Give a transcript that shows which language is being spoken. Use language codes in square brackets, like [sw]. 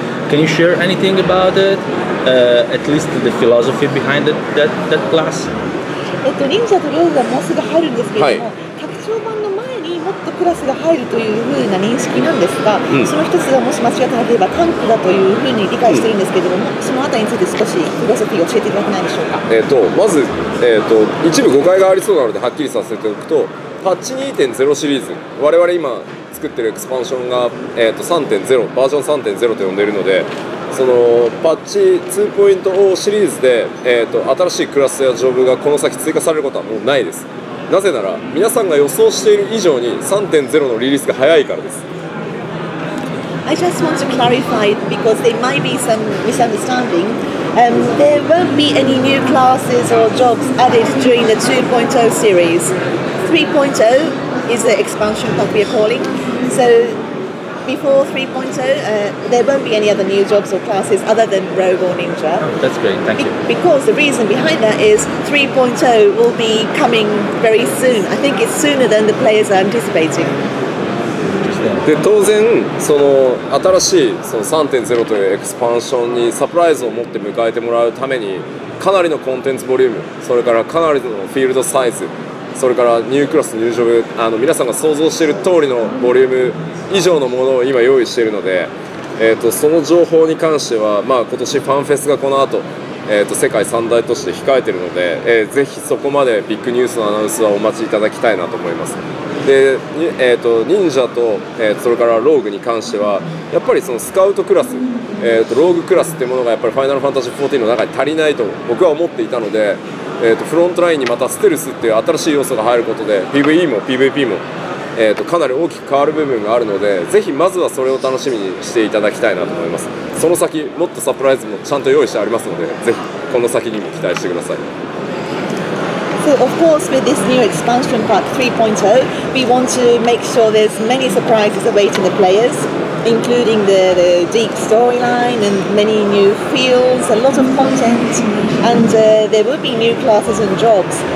[en] Can you share anything about it, at least the philosophy behind it, that class? Ninja and Rogue are more soon coming, but... [ja] クラスが入るというふうな認識なんですが、その一つがもし間違ってなければタンクだというふうに理解しているんですけれども、そのあたりについて少しフィロソフィー教えていただけないでしょうか？まず、一部誤解がありそうなのではっきりさせておくと、パッチ 2.0 シリーズ、我々今作ってるエクスパンションが、3.0、バージョン 3.0 と呼んでいるので、そのパッチ 2.0 シリーズで、新しいクラスやジョブがこの先追加されることはもうないです。なぜなら皆さんが予想している以上に 3.0 のリリースが早いからです。 [en] I just want to clarify because there might be some misunderstanding. There won't be any new classes or jobs added during the 2.0 series. 3.0 is the expansion that we are calling. So before 3.0, there won't be any other new jobs or classes other than Rogue or Ninja. Oh, that's great, thank you. Because the reason behind that is 3.0 will be coming very soon. I think it's sooner than the players are anticipating. [ja] で当然その新しいその 3.0 というエクスパンションにサプライズを持って迎えてもらうためにかなりのコンテンツボリューム、それからかなりのフィールドサイズ、それからニュークラス、ニュージョブ、皆さんが想像している通りのボリューム以上のものを今用意しているので、その情報に関しては、まあ、今年ファンフェスがこの後、世界三大都市で控えているので、ぜひそこまでビッグニュースのアナウンスはお待ちいただきたいなと思います。で、忍者と、それからローグに関してはやっぱりそのスカウトクラス、ローグクラスというものがやっぱりファイナルファンタジー14の中に足りないと僕は思っていたので、フロントラインにまたステルスっていう新しい要素が入ることで PVE も PVP も、かなり大きく変わる部分があるので、ぜひまずはそれを楽しみにしていただきたいなと思います。その先もっとサプライズもちゃんと用意してありますので、ぜひ。この先にも期待してください。 [en] So of course with this new expansion pack 3.0, we want to make sure there's many surprises awaiting the players, including the deep storyline and many new fields, a lot of content, and there will be new classes and jobs.